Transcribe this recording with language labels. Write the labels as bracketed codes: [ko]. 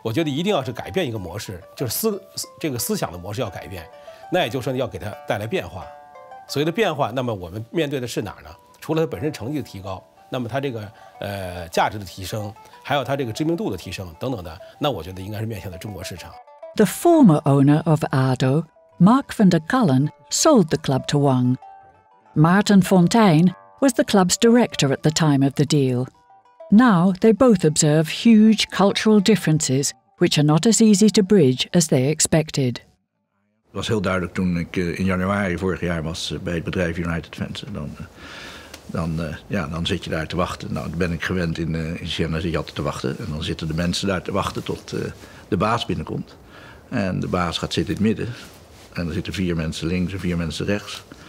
[zh] 我觉得一定要是改变一个模式，就是这个思想的模式要改变，那也就是说要给它带来变化。所谓的变化，那么我们面对的是哪儿呢？除了它本身成绩的提高，那么它这个价值的提升，还有它这个知名度的提升等等的，那我觉得应该是面向的中国市场。 [en] The former owner of ADO, Mark van der Kullen, sold the club to Wang. Martin Fontaine was the club's director at the time of the deal. Now they both observe huge cultural differences, which are not as easy to bridge as they expected. [nl] Het was heel duidelijk toen ik in januari vorig jaar was bij het bedrijf United Venture. Dan zit je daar te wachten. Nou, dan ben ik gewend in China zit je altijd te wachten. En dan zitten de mensen daar te wachten tot de baas binnenkomt. En de baas gaat zitten in het midden. En er zitten vier mensen links en vier mensen rechts.